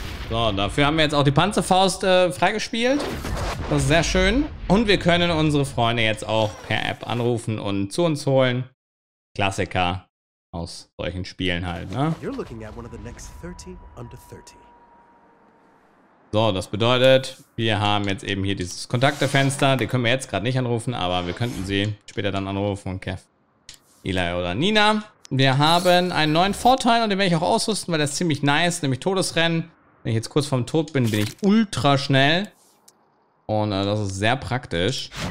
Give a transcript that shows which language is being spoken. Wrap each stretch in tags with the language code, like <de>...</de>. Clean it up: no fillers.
<de>So, dafür haben wir jetzt auch die Panzerfaust freigespielt. Das ist sehr schön. Und wir können unsere Freunde jetzt auch per App anrufen und zu uns holen. Klassiker. Aus solchen Spielen halt, ne?</de> <en>You're looking at one of the next 30 under 30.</en> <de>So, das bedeutet, wir haben jetzt eben hier dieses Kontaktefenster. Den können wir jetzt gerade nicht anrufen, aber wir könnten sie später dann anrufen. Kev, Eli oder Nina. Wir haben einen neuen Vorteil und den werde ich auch ausrüsten, weil der ist ziemlich nice, nämlich Todesrennen. Wenn ich jetzt kurz vorm Tod bin, bin ich ultra schnell. Und das ist sehr praktisch.</de>